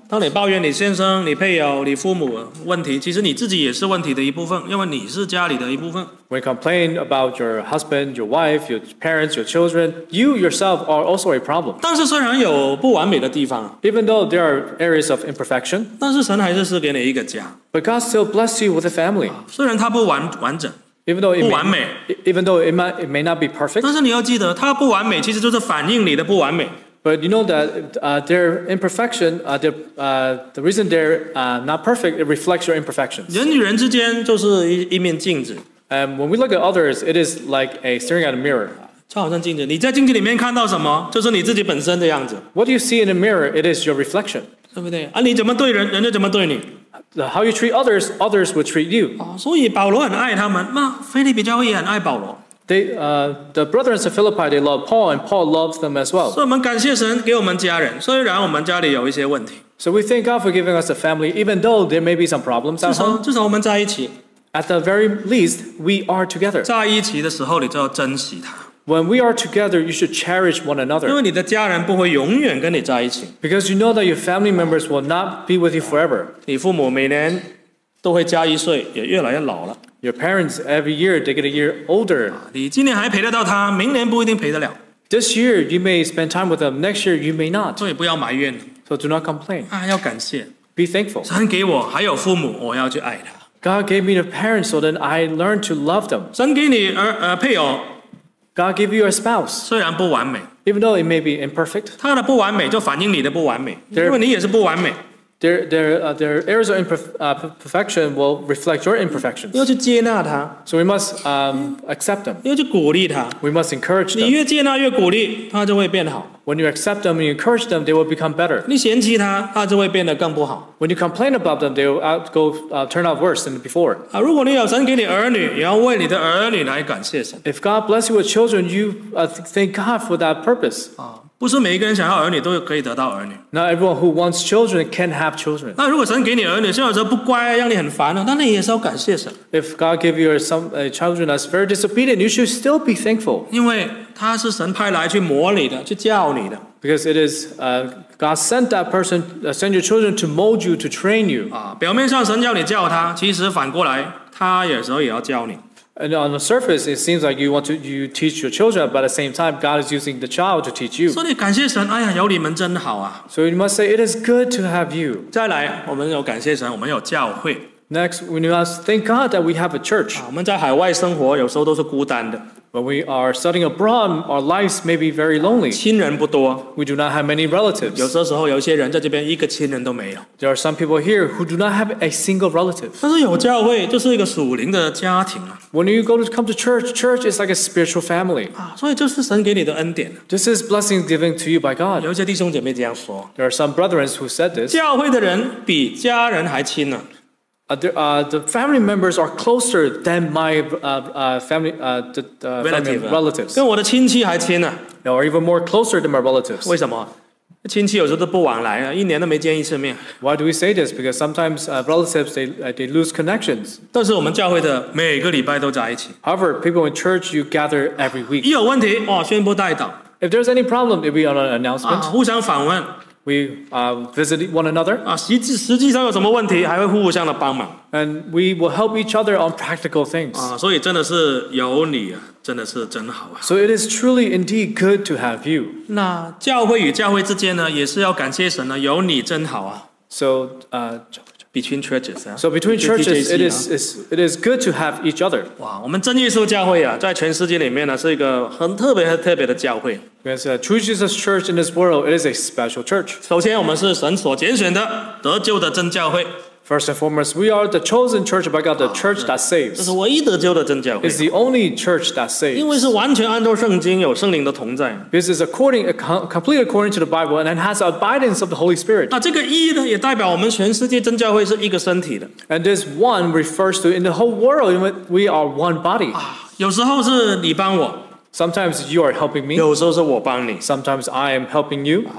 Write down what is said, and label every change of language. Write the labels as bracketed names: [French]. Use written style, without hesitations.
[Chinese] 当你抱怨你先生、你配偶、你父母问题，其实你自己也是问题的一部分，因为你是家里的一部分。 [English] When you complain about your husband, your wife, your parents, your children, you yourself are also a problem. [Chinese] 但是虽然有不完美的地方 [English] ，Even though there are areas of imperfection, [Chinese] 但是神还是赐给你一个家。 [English] But God still bless you with a family. [Chinese] 虽然他不完完整。 [English] Even though, it [Chinese] 不完美, [English] even though it may not be perfect, [Chinese] 但是你要记得，它不完美其实就是反映你的不完美。 [English] But you know that their imperfection, the reason they're not perfect, it reflects your imperfections. [Chinese] 人与人之间就是一面镜子。 [English] And when we look at others, it is like a staring at a mirror. [Chinese] 就好像镜子，你在镜子里面看到什么，就是你自己本身的样子。 [English] What do you see in a mirror? It is your reflection. [Chinese] 对不对？啊，你怎么对人，人家怎么对你？ [English] How you treat others, others will treat you. [Chinese] 所以保罗很爱他们，那腓立比教会也很爱保罗。 [English] They, the brothers of Philippi, they love Paul, and Paul loves them as well. [Chinese] 所以我们感谢神给我们家人，虽然我们家里有一些问题。 [English] So we thank God for giving us a family, even though there may be some problems at home. [Chinese] 至少我们在一起。 [English] At the very least, we are together. [Chinese] 在一起的时候，你就要珍惜他。 [English] When we are together, you should cherish one another. [Chinese] 因为你的家人不会永远跟你在一起。 [English] Because you know that your family members will not be with you forever. [Chinese] 你父母每年都会加一岁，也越来越老了。 [English] Your parents every year they get a year older. [Chinese] 你今年还陪得到他，明年不一定陪得了。 [English] This year you may spend time with them, next year you may not. [Chinese] 所以不要埋怨。 [English] So do not complain. [Chinese] 啊，要感谢。 [English] Be thankful. [Chinese] 神给我还有父母，我要去爱他。 [English] God gave me the parents, so then I learned to love them. [Chinese] 神给你配偶。 [English] God give you a spouse. [Chinese] 虽然不完美。 [English] Even though it may be imperfect. [Chinese] 他的不完美就反映你的不完美，因为你也是不完美。 [English] Their areas of imperfection will reflect your imperfections. [Chinese] 要去接纳他。 [English] So we must accept them. [Chinese] 要去鼓励他。 [English] We must encourage them. [Chinese] 你越接纳越鼓励，他就会变好。 [English] When you accept them and encourage them, they will become better. [Chinese] 你嫌弃他，他就会变得更不好。 [English] When you complain about them, they will turn out worse than before. [Chinese] 啊，如果你有神给你儿女，也要为你的儿女来感谢神。 [English] If God bless you with children, you thank God for that purpose. [Chinese] 不是每一个人想要儿女都可以得到儿女。 [English] Not everyone who wants children can have children. [Chinese] 那如果神给你儿女，虽然说不乖，让你很烦了，那你也是要感谢神。 [English] If God give you some children that's very disobedient, you should still be thankful. [Chinese] 因为他是神派来去磨你的，去教你的。 [English] Because it is God sent that person, send your children to mold you, to train you. [Chinese] 表面上神叫你教他，其实反过来，他有时候也要教你。 [English] And on the surface, it seems like you teach your children, but at the same time, God is using the child to teach you. [Chinese] 所以感谢神，哎呀，有你们真好啊。 [English] So you must say, it is good to have you. [Chinese] 再来，我们有感谢神，我们有教会。 [English] Next, we must thank God that we have a church. [Chinese] 我们在海外生活，有时候都是孤单的。 [English] When we are studying abroad, our lives may be very lonely. [Chinese] 亲人不多。 [English] We do not have many relatives. [Chinese] 有时候有些人在这边一个亲人都没有。 [English] There are some people here who do not have a single relative. [Chinese] 但是有教会就是一个属灵的家庭啊。 [English] When you go to come to church, church is like a spiritual family. [Chinese] 所以这是神给你的恩典。 [English] This is blessing given to you by God. [Chinese] 有些弟兄姐妹这样说。 [English] There are some brethren who said this. [Chinese] 教会的人比家人还亲啊。 [English] The family members are closer than my family, relatives. [Chinese] 跟我的亲戚还亲啊。 [English] They are even more closer than my relatives. [Chinese] 为什么？亲戚有时候都不往来啊，一年都没见一次面。 [English] Why do we say this? Because sometimes relatives they lose connections. [Chinese] 但是我们教会的每个礼拜都在一起。 [English] However, people in church you gather every week. [Chinese] 一有问题，哦，宣布代祷。 [English] If there's any problem, it'll be on an announcement. [Chinese] 互相访问。 [English] We visit one another. [Chinese] 实际上有什么问题，还会互相的帮忙。 [English] And we will help each other on practical things. [Chinese] 所以真的是有你啊，真的是真好啊。 [English] So it is truly indeed good to have you. [Chinese] 那教会与教会之间呢，也是要感谢神呢，有你真好啊。 [English] So between churches, it is good to have each other. [Chinese] 哇，我们真耶稣教会啊，在全世界里面呢，是一个很特别、很特别的教会。 [English] Because True Jesus Church in this world, it is a special church. [Chinese] 首先，我们是神所拣选的得救的真教会。 [English] First and foremost, we are the chosen church by God, the church that saves. [Chinese] 这是唯一得救的真教会。 [English] It's the only church that saves. [Chinese] 因为是完全按照圣经，有圣灵的同在。 [English] This is complete according to the Bible, and it has the abidance of the Holy Spirit. [Chinese] 那这个一呢，也代表我们全世界真教会是一个身体的。 [English] And this one refers to in the whole world, in which we are one body. [Chinese] 有时候是你帮我。 [English] Sometimes you are helping me. [Chinese] 有时候是我帮你。 [English] Sometimes I am helping you.